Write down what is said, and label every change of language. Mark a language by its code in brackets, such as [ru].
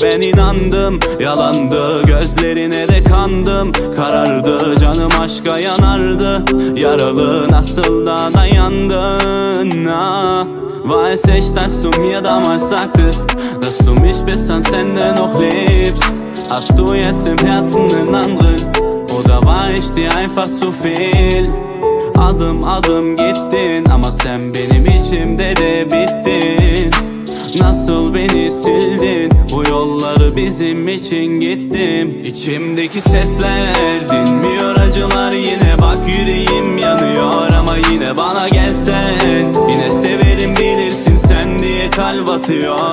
[tr] Ben inandım, yalandı. Gözlerine de kandım, karardı. Canım aşka yanardı, yaralı. Nasıl da dayandın? [de] Weiß ich, dass du mir damals sagtest, dass du mich bis ans Ende noch liebst. Hast du jetzt im Herzen einen anderen? Oder war ich dir einfach zu viel? [tr] Adım adım gittin ama sen benim içimde de bittin. Nasıl beni sildin? Bu yolları bizim için gittim. İçimdeki sesler dinmiyor, acılar yine. Bak yüreğim yanıyor ama yine bana gelsen, yine severim bilirsin sen diye kalp atıyor.